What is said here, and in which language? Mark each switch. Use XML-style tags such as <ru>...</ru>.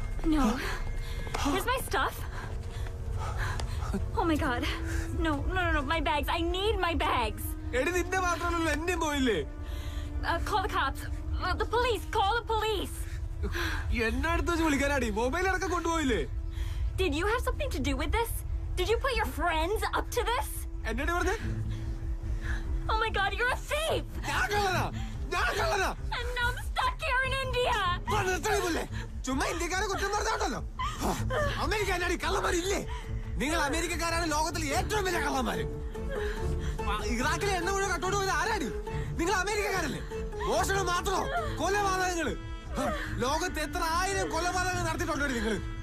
<en>No. Where's my stuff? Oh my god. No, my bags. I need my bags.</en> <ml>എടി നിന്റെ മാത്രമല്ല എന്നെ പോയില്ലേ.</ml> <en>Call the cops. The police. Call the police.</en> <ml>എന്നെ അടുത്തോ വിളിക്കാനാടി? Mobile അടക്കം കൊണ്ടുപോയില്ലേ.</ml> <en>Did you have something to do with this? Did you put your friends up to this?</en> <ml>എന്നെടി പറഞ്ഞു.</ml> <en>Oh my god, you're a thief.</en> <ml>ഞാൻ കള്ളനാ.</ml> <en>And now I'm stuck here in India.</en> <ml>പറഞ്ഞതല്ലേ. ചുമ്മാ ഇന്ത്യക്കാരെ കുറ്റം പറഞ്ഞാട്ടല്ലോ. അമേരിക്കാനാടി കള്ളമാരില്ലേ. നിങ്ങൾ അമേരിക്കക്കാരാണ് ലോകത്തിൽ ഏറ്റവും വലിയ കള്ളന്മാർ. ഇറാഖിലെ എണ്ണ മുഴുവൻ കട്ടോട് പോയത് ആരാടി? നിങ്ങൾ അമേരിക്കക്കാരല്ലേ? മോഷണം മാത്രമോ? കൊലപാതകങ്ങള് ലോകത്ത് എത്ര ആയിരം കൊലപാതകങ്ങൾ നടത്തിയിട്ടുണ്ടോ നിങ്ങള്?</ml>